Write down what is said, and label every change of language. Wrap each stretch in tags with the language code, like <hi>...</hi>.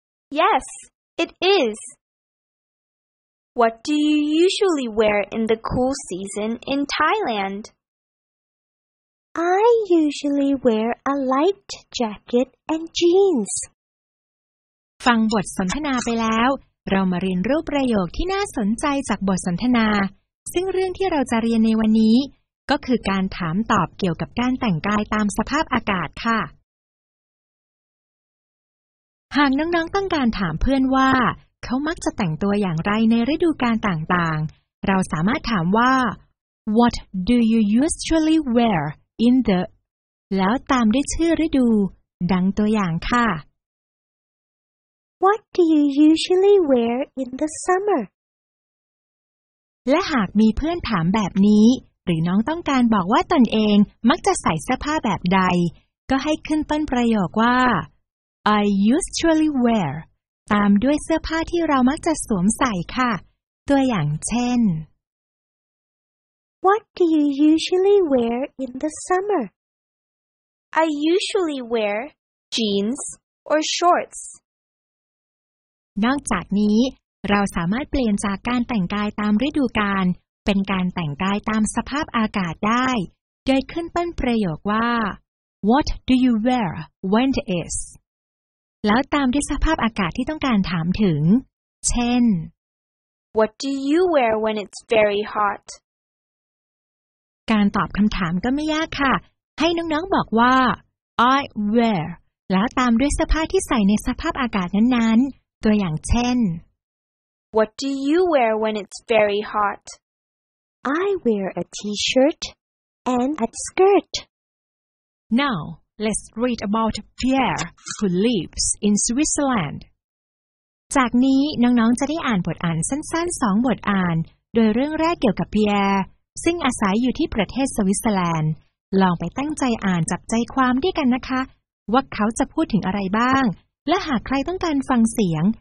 <en>Yes, it is. What do you usually wear in the cool season in Thailand? I usually wear a light jacket and jeans.</en> <th>ฟังบทสนทนาไปแล้ว เรามาเรียนรู้ประโยคที่น่าสนใจจากบทสนทนาซึ่งเรื่องที่เราจะเรียนในวันนี้ก็คือการถามตอบเกี่ยวกับการแต่งกายตามสภาพอากาศค่ะหากน้องๆต้องการถามเพื่อนว่าเขามักจะแต่งตัวอย่างไรในฤดูกาลต่างๆเราสามารถถามว่า</th> <en>What do you usually wear in the</en> <th>แล้วตามด้วยชื่อฤดูดังตัวอย่างค่ะ</th> <en>What do you usually wear in the summer?</en> <th>และหากมีเพื่อนถามแบบนี้หรือน้องต้องการบอกว่าตนเองมักจะใส่เสื้อผ้าแบบใดก็ให้ขึ้นต้นประโยคว่า</th> <en>I usually wear</en> <th>ตามด้วยเสื้อผ้าที่เรามักจะสวมใส่ค่ะตัวอย่างเช่น</th> <en>What do you usually wear in the summer? I usually wear jeans or shorts.</en> <th>นอกจากนี้เราสามารถเปลี่ยนจากการแต่งกายตามฤดูกาลเป็นการแต่งกายตามสภาพอากาศได้โดยขึ้นต้นประโยคว่า</th> <en>What do you wear when it is?</en> <th>แล้วตามด้วยสภาพอากาศที่ต้องการถามถึงเช่น</th> <en>What do you wear when it's very hot?</en> <th>การตอบคำถามก็ไม่ยากค่ะให้น้องๆบอกว่า</th> <en>I wear</en> <th>แล้วตามด้วยเสื้อผ้าที่ใส่ในสภาพอากาศนั้นๆตัวอย่างเช่น</th> <en>What do you wear when it's very hot? I wear a t-shirt and a skirt. NowLet's read about Pierre, who lives in Switzerland.</en> <th>จากนี้น้องๆจะได้อ่านบทอ่านสั้นๆ2บทอ่านโดยเรื่องแรกเกี่ยวกับ Pierre, ซึ่งอาศัยอยู่ที่ประเทศสวิตเซอร์แลนด์ลองไปตั้งใจอ่านจับใจความด้วยกันนะคะ ว่าเขาจะพูดถึงอะไรบ้างและหากใครต้องการฟังเสียง</th>